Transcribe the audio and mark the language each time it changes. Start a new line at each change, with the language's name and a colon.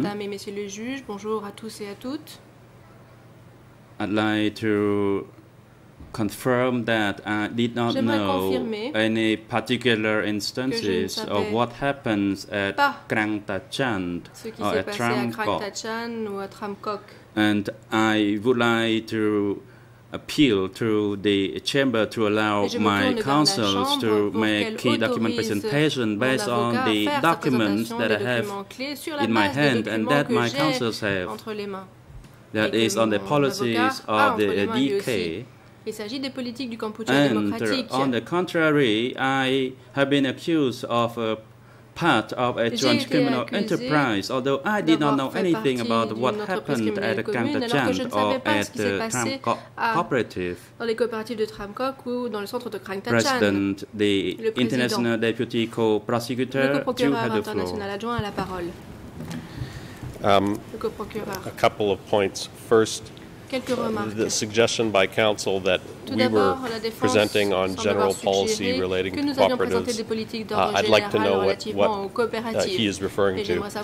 French: Madame et Messieurs les juges, bonjour à tous et à toutes.
English: I'd like to confirm that I did not know any particular instances of what happens at Krang Dachan or at Tram Coq. And I would like to appeal to the chamber to allow my counsel to make key document presentation based on the documents that I have in my hand and that my counsel have. That is on the policies of the DK.
French: Il s'agit des politiques du Cambodge démocratique.
English: And on the contrary, I have been accused of a part of a joint criminal enterprise, although I did not know anything about what happened at Krang Dachan or at the Tram Coq cooperative.
French: Dans les coopératives de Tram Coq ou dans le centre de Krang Dachan.
English: President, the international deputy co-prosecutor, you have the floor. A couple of points. First, the suggestion by counsel that
French: tout
English: we were presenting on general policy relating to cooperatives, I'd like to know what he is referring to.